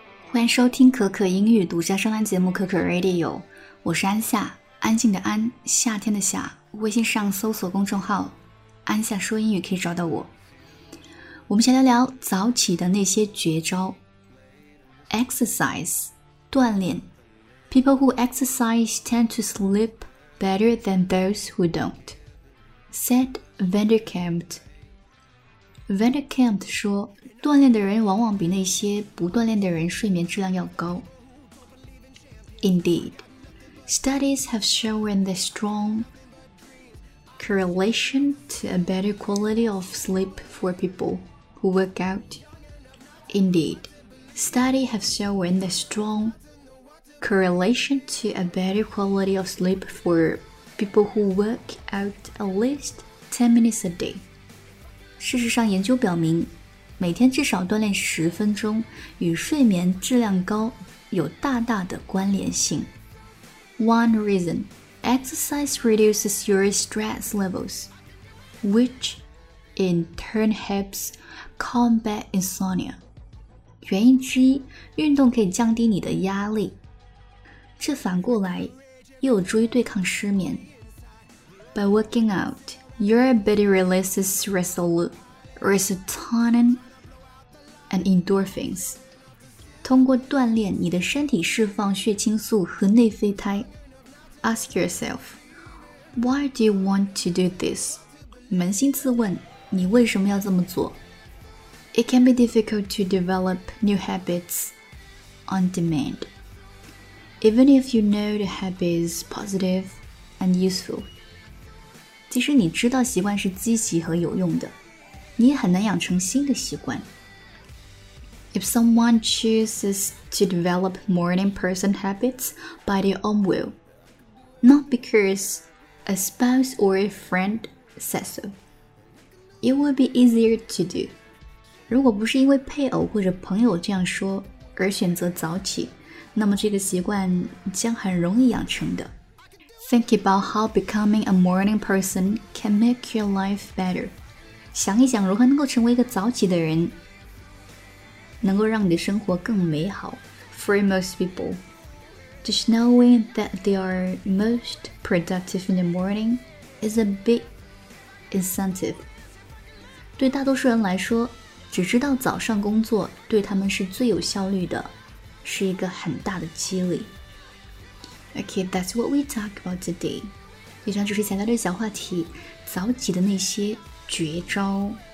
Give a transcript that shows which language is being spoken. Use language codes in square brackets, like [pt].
[zh] 欢迎收听可可英语独家专栏节目可可 Radio， 我是安夏，安静的安，夏天的夏。微信上搜索公众号安夏说英语可以找到我。我们先聊聊早起的那些绝招。 Exercise 锻炼。 [en] People who exercise tend to sleep better than those who don't, said Vanderkamp. [zh] Vanderkamp 说，锻炼的人往往比那些不锻炼的人睡眠质量要高。 [en] Indeed, studies have shown the strong correlation to a better quality of sleep for people who work out. Indeed, studies have shown the strong correlation to a better quality of sleep for people who work out at least 10 minutes a day. [zh] 事实上，研究表明每天至少锻炼十分钟与睡眠质量高有大大的关联性。 [en] One reason, exercise reduces your stress levels, which in turn helps combat insomnia. [zh] 原因之一，运动可以降低你的压力，这反过来又有助于对抗失眠。 [en] By working out, your body releases serotonin and endorphins. [zh] 通过锻炼，你的身体释放血清素和内啡肽。 [en] Ask yourself, why do you want to do this? [zh] 扪心自问，你为什么要这么做？ [en] It can be difficult to develop new habits on demand. Even if you know the habit is positive and useful. [zh] 即使你知道习惯是积极和有用的，你也很难养成新的习惯。 [en] If someone chooses to develop morning person habits by their own will, not because a spouse or a friend says so, it will be easier to do. [zh] 如果不是因为配偶或者朋友这样说而选择早起，那么这个习惯将很容易养成的。 [en] Think about how becoming a morning person can make your life better. [zh] 想一想如何能够成为一个早起的人能够让你的生活更美好。 [en] For most people, just knowing that they are most productive in the morning is a big incentive. [zh] 对大多数人来说，只知道早上工作对他们是最有效率的，是一个很大的激励。 [en] Okay, that's what we talk about today. [zh] 以上就是前聊的小话题，早起的那些绝招。